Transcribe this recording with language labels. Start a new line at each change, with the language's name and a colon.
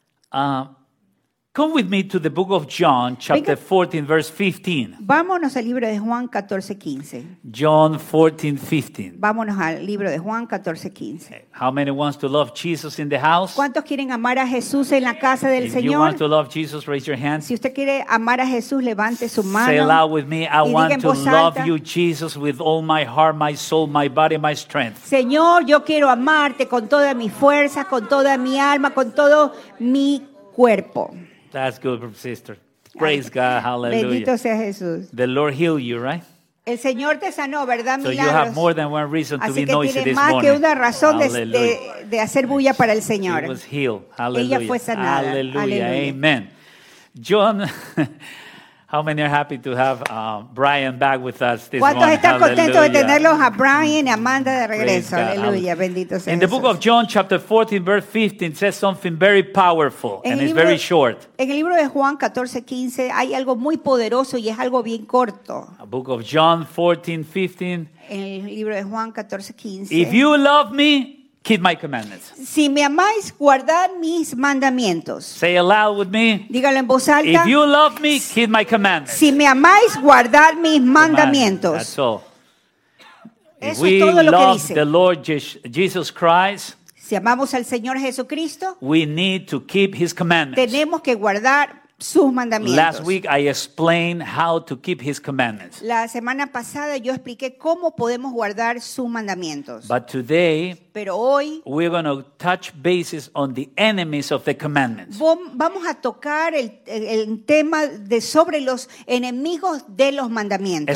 English: Come with me to the book of John, chapter 14, verse 15.
Spanish: Vámonos al libro de Juan 14, 15.
English: John 14, 15.
Spanish: Vámonos al libro de Juan 14, 15.
English: How many wants to love Jesus in the house?
Spanish: ¿Cuántos quieren amar a Jesús en la casa del
English: If
Spanish: Señor?
English: If you want to love Jesus, raise your hand.
Spanish: Si usted quiere amar a Jesús, levante su mano.
English: Say aloud with me, I want to love you, Jesus, with all my heart, my soul, my body, my strength.
Spanish: Señor, yo quiero amarte con toda mi fuerza, con toda mi alma, con todo mi cuerpo.
English: That's good, sister. Praise God. Hallelujah.
Spanish: Bendito sea Jesús.
English: The Lord healed you, right?
Spanish: El Señor te sanó, ¿verdad, milagros?
English: So you have more than one reason to
Spanish: Así
English: be noisy this morning.
Spanish: Así que tiene más que una razón de hacer bulla para el Señor.
English: She was healed. Hallelujah.
Spanish: Ella fue sanada.
English: Hallelujah. Amen. John, how many are happy to have Brian back with us this
Spanish: ¿Cuántos ¿Cuántos están contentos de tenerlos a Brian y Amanda de regreso? Aleluya. Bendito sea
English: In
Spanish: Jesús.
English: The book of John, chapter 14, verse 15, says something very powerful and it's very short.
Spanish: En el libro de Juan 14, 15, hay algo muy poderoso y es algo bien corto.
English: A book of John 14, 15.
Spanish: En el libro de Juan 14, 15.
English: If you love me, keep my commandments.
Spanish: Si me amáis, guardad mis mandamientos.
English: Say aloud with me.
Spanish: Dígalo en voz alta.
English: If you love me, keep my commandments.
Spanish: Si me amáis, guardad mis mandamientos.
English: That's all.
Spanish: Eso es todo lo que dice.
English: We love the Lord Jesus Christ.
Spanish: Si amamos al Señor Jesucristo,
English: we need to keep his commandments.
Spanish: Tenemos que guardar sus mandamientos.
English: Last week I explained how to keep his commandments.
Spanish: La semana pasada yo expliqué cómo podemos guardar sus mandamientos.
English: But today,
Spanish: pero hoy,
English: we're going to touch bases on the enemies of the commandments.
Spanish: Vamos a tocar el tema de sobre los enemigos de los mandamientos.